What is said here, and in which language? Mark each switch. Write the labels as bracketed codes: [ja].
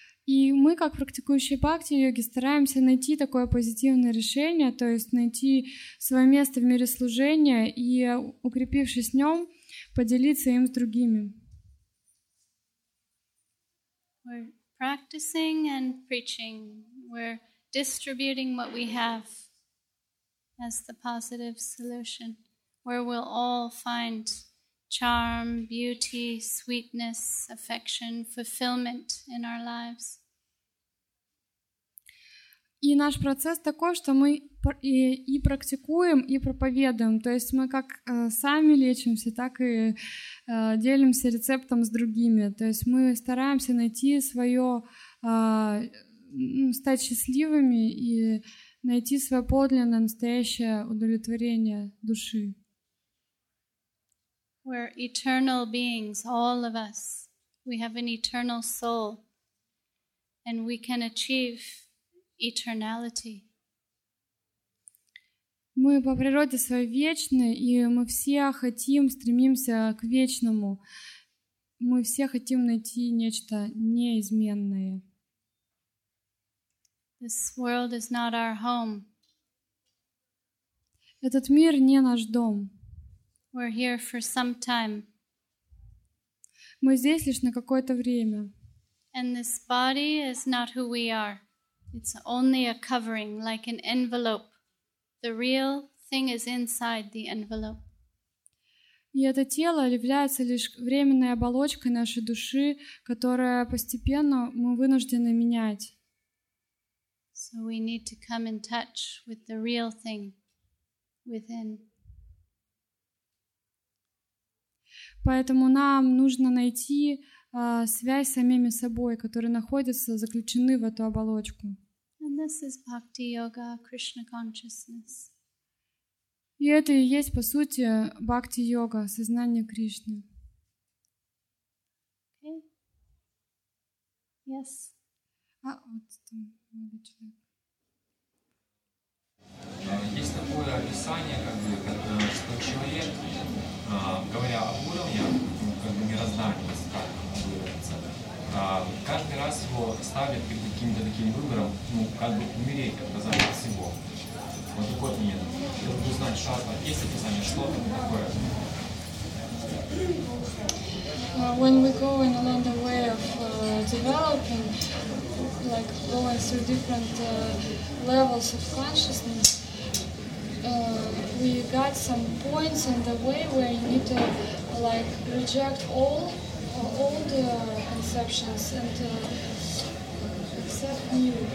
[ru] И мы, как практикующие бхакти-йоги, стараемся найти такое позитивное решение, то есть найти свое место в мире служения и, укрепившись в нем, поделиться им с другими. [en] Practicing and preaching, we're distributing what we have as the positive solution, where we'll all find charm, beauty, sweetness, affection, fulfillment in our lives. [ru] И наш процесс такой, что мы и практикуем, и проповедуем. То есть мы как сами лечимся, так и делимся рецептом с другими. То есть мы стараемся найти свое, стать счастливыми и найти свое подлинное, настоящее удовлетворение души. [en] We're eternal beings, all of us. We have an eternal soul. And we can achieve eternality. [ru] Мы по природе свои вечны, и мы все хотим, стремимся к вечному. Мы все хотим найти нечто неизменное. [en] This world is not our home. [ru] Этот мир не наш дом. [en] We're here for some time. [ru] мы здесь лишь на какое-то время. [en] And this body is not who we are. It's only a covering, like an envelope. The real thing is inside the envelope. [ru] И это тело является лишь временной оболочкой нашей души, которая постепенно мы вынуждены менять. [en] So we need to come in touch with the real thing within. [ru] Поэтому нам нужно найти связь с самими собой, которые находятся, заключены в эту оболочку. [en] And this is bhakti yoga, Krishna consciousness. [ru] И это и есть, по сути, бхакти-йога, сознание Кришны. [en] Okay. Yes. [ru] А, вот там много человек. Есть такое описание, как бы, что человек, говоря об уровне, как бы мироздания, как называется, каждый раз его ставят перед каким-то таким выбором, ну, как бы умереть, отказаться от всего. [en] When we go in along the way of developing, like going through different levels of consciousness, we got some points in the way where you need to like reject all the conceptions and accept new.